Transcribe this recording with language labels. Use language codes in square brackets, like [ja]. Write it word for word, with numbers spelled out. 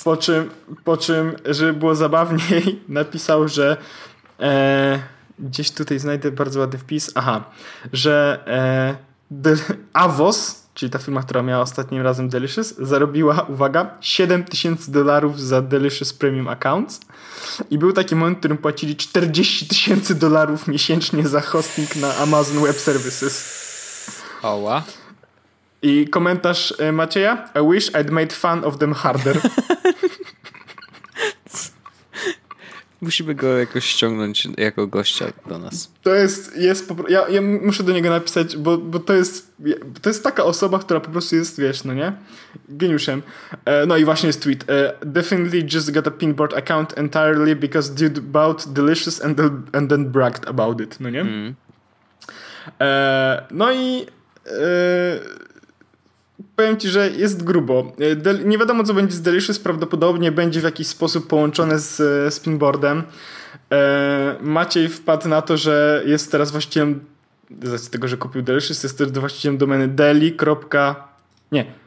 [pl] E, po czym, po czym, żeby było zabawniej, napisał, że e, gdzieś tutaj znajdę bardzo ładny wpis, aha, że e, de, Avos, czyli ta firma, która miała ostatnim razem Delicious, zarobiła, uwaga, siedem tysięcy dolarów za Delicious Premium Accounts i był taki moment, w którym płacili czterdzieści tysięcy dolarów miesięcznie za hosting na Amazon Web Services. Oła. I komentarz Macieja: [en] I wish I'd made fun of them harder. [pl] Musimy go jakoś ściągnąć jako gościa do nas. To jest, jest popro- ja, ja muszę do niego napisać, bo, bo to jest to jest taka osoba, która po prostu jest, wiesz, no nie? Geniuszem. E, no i właśnie jest tweet. [en] E, Definitely just got a Pinboard account entirely because dude bought Delicious and, the, and then bragged about it, [pl] no nie? Mm. E, no i Yy, powiem ci, że jest grubo. Del- nie wiadomo, co będzie z Delicious, prawdopodobnie będzie w jakiś sposób połączone z, z Pinboardem. Yy, Maciej wpadł na to, że jest teraz właścicielem, z racji tego, że kupił Delicious, jest też właścicielem domeny deli. Nie.